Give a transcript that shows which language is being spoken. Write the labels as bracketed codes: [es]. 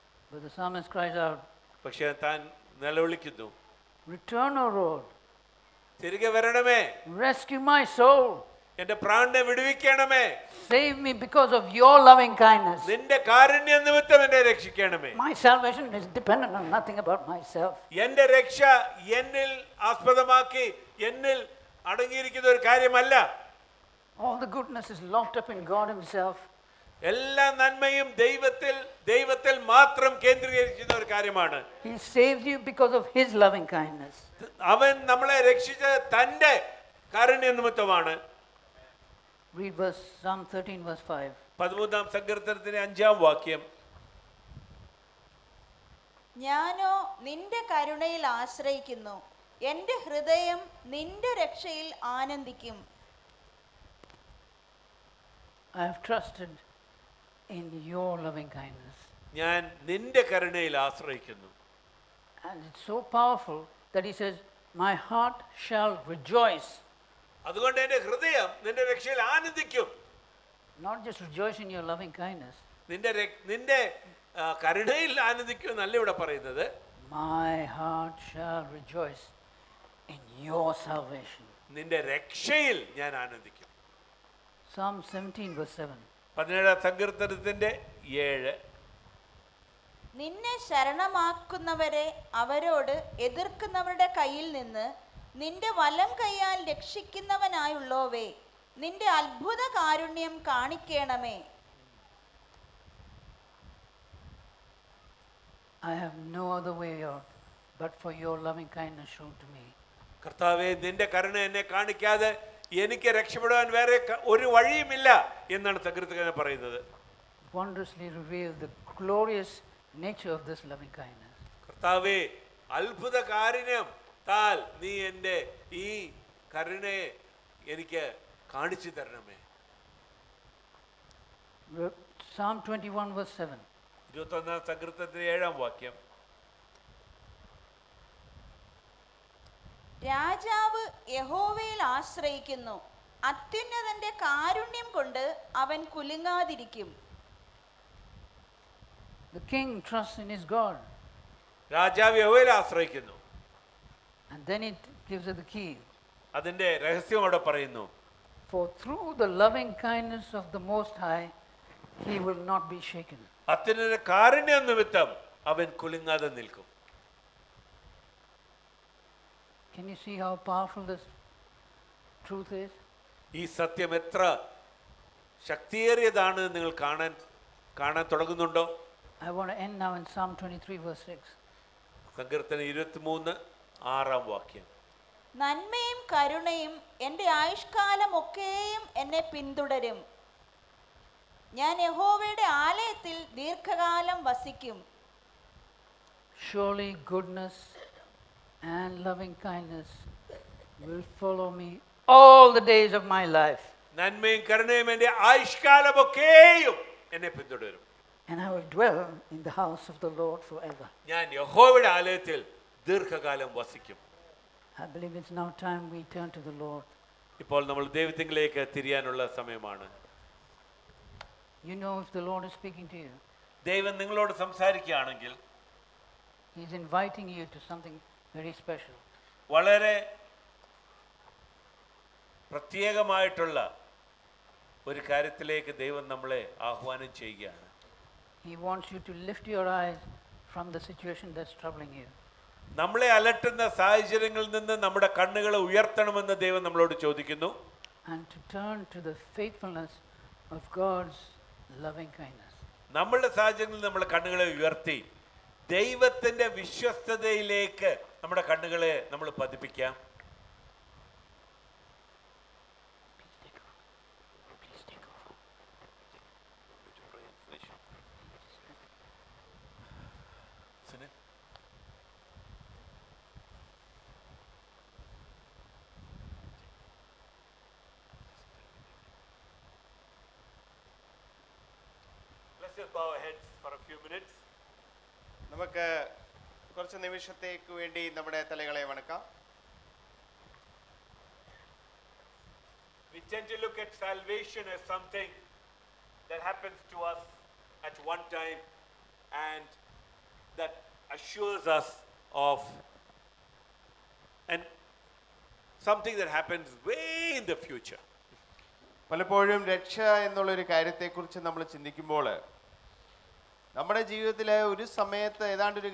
[en] But the psalmist cries out. [ml] പക്ഷേ താൻ നിലവിളിക്കുന്നു. [en] Return, O Lord. [ml] തിരികെ വരണമേ. [en] Rescue my soul. [ml] എന്റെ പ്രാണനെ വിടുവിക്കണമേ. [en] Save me because of your loving kindness. [ml] നിന്റെ കാരുണ്യം നിമിത്തം എന്നെ രക്ഷിക്കണമേ. [en] My salvation is dependent on nothing about myself. [ml] എന്റെ രക്ഷ എന്നിൽ ആസ്പദമാക്കി എന്നിൽ അടങ്ങിയിരിക്കുന്ന ഒരു കാര്യമല്ല. [en] All the goodness is locked up in God himself. [ml] എല്ലാ നന്മയും ദൈവത്തിൽ മാത്രം കേന്ദ്രീകരിച്ചിരിക്കുന്ന ഒരു കാര്യമാണ്. [en] He saved you because of his loving kindness. [ml] അവൻ നമ്മളെ രക്ഷിച്ച തന്റെ കാരുണ്യ നിമിത്തമാണ്. [en] Read Psalm 13 verse 5. [ml] 13-ാം സങ്കീർത്തനത്തിന്റെ 5-ാം വാക്യം. ഞാനോ നിന്റെ കരുണയിൽ ആശ്രയിക്കുന്നു, എന്റെ ഹൃദയം നിന്റെ രക്ഷയിൽ ആനന്ദിക്കും. [en] I have trusted in your loving kindness. [ml] ഞാൻ നിന്റെ കരുണയിൽ ആശ്രയിക്കുന്നു. [en] And it's so powerful that he says, my heart shall rejoice. [ml] അതുകൊണ്ട് എൻ്റെ ഹൃദയം നിന്റെ രക്ഷയിൽ ആനന്ദിക്കും. [en] Not just rejoice in your loving kindness. [ml] നിന്റെ കരുണയിൽ ആനന്ദിക്കും എന്നല്ല ഇവിടെ പറയുന്നത്. [en] My heart shall rejoice in your salvation. [ml] നിന്റെ രക്ഷയിൽ ഞാൻ ആനന്ദിക്കും. [en] Psalm 17 verse 7. [ml] 17-ാം സങ്കീർത്തനത്തിന്റെ 7. നിന്നെ ശരണമാക്കുന്നവരെ അവരോട് എതിർക്കുന്നവരുടെ കയ്യിൽ നിന്ന് നിന്റെ വലം കൈയാൽ രക്ഷിക്കുന്നവനായുള്ളോവേ, നിന്റെ അത്ഭുത കാരുണ്യം കാണിക്കണമേ. [en] I have no other way out but for your loving kindness shown to me. [ml] കർത്താവേ, നിന്റെ കരുണ എന്നെ കാണിക്കാതെ എനിക്ക് രക്ഷപ്പെടുവാൻ വേറെ ഒരു വഴിയുമില്ല എന്നാണ് സങ്കീർത്തനം പറയുന്നത്. [en] Wondrously reveal the glorious nature of this loving kindness. [ml] കർത്താവേ, അത്ഭുത കാരുണ്യം താൽ നീ എൻ്റെ ഈ കരുണയെ എനിക്ക് കാണിച്ചു തരണമേ. [en] Psalm 21 verse 7. [ml] 21-ാം സങ്കീർത്തനത്തിന്റെ 7-ാം വാക്യം. രാജാവ് യഹോവയിൽ ആശ്രയിക്കുന്നു, അത്യുന്നതന്റെ കാരുണ്യം കൊണ്ട് അവൻ കുലുങ്ങാതിരിക്കും. [en] The king trusts in his God. [ml] രാജാവ് യഹോവയിൽ ആശ്രയിക്കുന്നു. [en] And then it gives us the key. [ml] അതിന്റെ രഹസ്യം അവിടെ പറയുന്നു. [en] For through the loving kindness of the Most High, he will not be shaken. [ml] അത്യുന്നതന്റെ കാരുണ്യം നിമിത്തം അവൻ കുലുങ്ങാതെ നിൽക്കും. [en] Can you see how powerful this truth is? [ml] ഈ സത്യം എത്ര ശക്തിയേറിയതാണ് നിങ്ങൾ കാണാൻ തുടങ്ങുന്നുണ്ടോ? [en] I want to end now in Psalm 23 verse 6. [ml] സങ്കീർത്തനം 23:6 വാക്യം. നന്മയും കരുണയും എൻ്റെ ആയുഷ്കാലം ഒക്കെയും എന്നെ പിന്തുടരും. ഞാൻ യഹോവയുടെ ആലയത്തിൽ ദീർഘകാലം വസിക്കും. [en] Surely goodness and loving kindness will follow me all the days of my life. [ml] നന്മയും കരുണയും എൻ്റെ ആയുഷ്കാലം ഒക്കെയും എന്നെ പിന്തുടരും. [en] And I will dwell in the house of the Lord forever. [ml] ഞാൻ യഹോവയുടെ ആലയത്തിൽ ദീർഘകാലം വസിക്കും. [en] I believe it's now time we turn to the Lord. [ml] ഇപ്പോൾ നമ്മൾ ദൈവത്തിങ്കലേക്ക് തിരിയാനുള്ള സമയമാണ്. [en] You know, if the Lord is speaking to you, [ml] ദൈവം നിങ്ങളോട് സംസാരിക്കുകയാണെങ്കിൽ, [en] he is inviting you to something very special. [ml] വളരെ പ്രത്യേകമായിട്ടുള്ള ഒരു കാര്യത്തിലേക്ക് ദൈവം നമ്മളെ ആഹ്വാനം ചെയ്യുകയാണ്. [en] He wants you to lift your eyes from the situation that's troubling you. [ml] നമ്മളെ അലട്ടുന്ന സാഹചര്യങ്ങളിൽ നിന്ന് നമ്മുടെ കണ്ണുകൾ ഉയർത്തണമെന്ന് ദൈവം നമ്മളോട് ചോദിക്കുന്നു. [en] And to turn to the faithfulness of God's loving kindness. [ml] നമ്മളുടെ സാഹചര്യങ്ങളിൽ നമ്മൾ കണ്ണുകളെ ഉയർത്തി ദൈവത്തിന്റെ വിശ്വസ്തതയിലേക്ക് നമ്മുടെ കണ്ണുകളെ നമ്മൾ പതിപ്പിക്കാം. [en] Let's just bow our heads for a few minutes. [ml] നമുക്ക് കുറച്ച് നിമിഷത്തേക്ക് വേണ്ടി നമ്മുടെ തലകളെ വണക്കാം. [en] We tend to look at salvation as something that happens to us at one time and that assures us of and something that happens way in the future. [ml] പലപ്പോഴും രക്ഷ എന്നുള്ള ഒരു കാര്യത്തെക്കുറിച്ച് നമ്മൾ ചിന്തിക്കുമ്പോൾ നമ്മുടെ ജീവിതത്തിലെ ഒരു സമയത്ത് ഏതാണ്ട് ഒരു